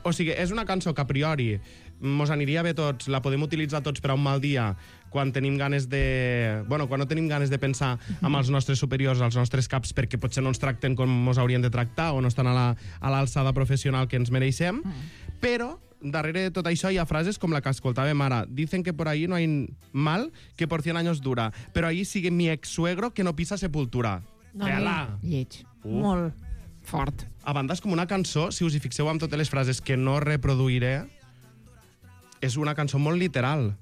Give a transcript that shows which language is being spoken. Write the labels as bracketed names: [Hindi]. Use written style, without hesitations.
[Catalan] O sigui, és una cançó que a priori mos aniria bé tots, la podem utilitzar tots per a un mal dia, quan tenim ganes de... Bueno, quan no tenim ganes de pensar amb els nostres superiors, els nostres caps, perquè potser no ens tracten com ens haurien de tractar o no estan a l'alçada professional que ens mereixem. Però darrere de tot això hi ha frases com la que escoltàvem ara. [Spanish] Dicen que por ahí no hay mal que por 100 años dura, pero ahí sigue mi ex-suegro que no pisa sepultura. [Catalan] No, lleig. Molt fort. A banda, és com una cançó, si us hi fixeu amb totes les frases que no reproduiré... És una cançó molt literal.